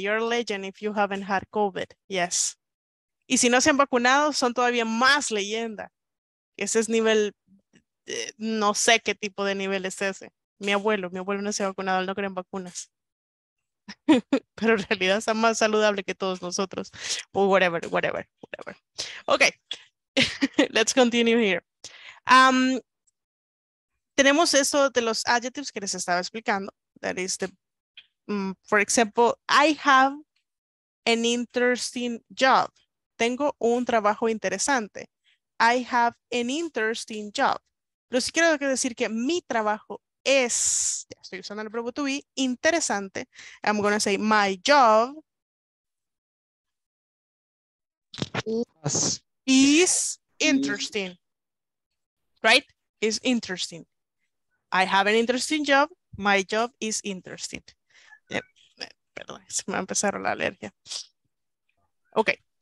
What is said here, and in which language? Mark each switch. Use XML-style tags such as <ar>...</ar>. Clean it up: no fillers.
<en>You're a legend if you haven't had COVID, yes.</en> <es>Y si no se han vacunado, son todavía más leyenda. Ese es nivel, no sé qué tipo de nivel es ese. Mi abuelo no se ha vacunado, él no cree en vacunas. Pero en realidad está más saludable que todos nosotros.</es> <en>Whatever. Okay, let's continue here.</en> <es>Tenemos eso de los adjectives que les estaba explicando.</es> <en>That is the, for example, I have an interesting job.</en> <es>Tengo un trabajo interesante.</es> <en>I have an interesting job.</en> <es>Pero si quiero decir que mi trabajo es, ya estoy usando el verbo to be, interesante.</es> <en>I'm going to say my job is interesting. Right? Is interesting. I have an interesting job. My job is interesting.</en> <es>Perdón, se me va a empezar la alergia. Okay.</es>